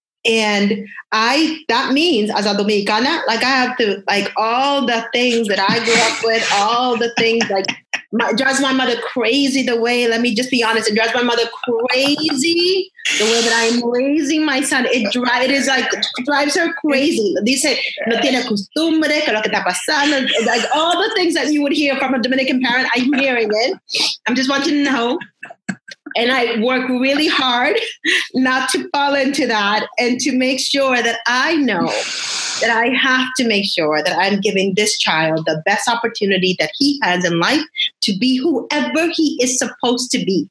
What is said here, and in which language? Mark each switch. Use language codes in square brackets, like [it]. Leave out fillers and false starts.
[en] And that means as a Dominicana, like I have to, like all the things that I grew up with, all the things like It drives my mother crazy the way, let me just be honest, it drives my mother crazy the way that I'm raising my son. It drives her crazy. [es] Dice, no tiene costumbre, que lo que está pasando. [en] Like all the things that you would hear from a Dominican parent, I'm hearing it. I'm just wanting to know. And I work really hard not to fall into that and to make sure that I know that I have to make sure that I'm giving this child the best opportunity that he has in life to be whoever he is supposed to be.